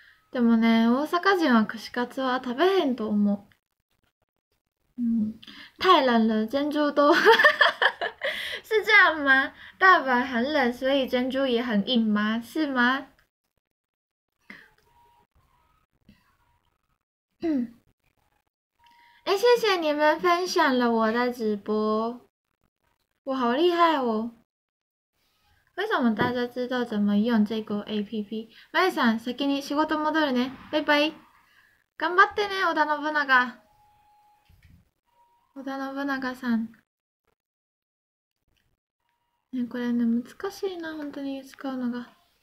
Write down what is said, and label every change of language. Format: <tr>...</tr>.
<ja>でもね、大阪人は串カツは食べへんと思う。</ja> <zh>太冷了，珍珠都 是这样吗？大阪很冷，所以珍珠也很硬吗？是吗？哎 谢谢你们分享了我的直播。我好厉害哦！为什么大家知道怎么用这个 APP？</zh> <ja>麦さん、先に仕事戻るね。バイバイ。頑張ってね、織田信長。織田信長さん。ね、これね、難しいな、本当に使うのが。</ja>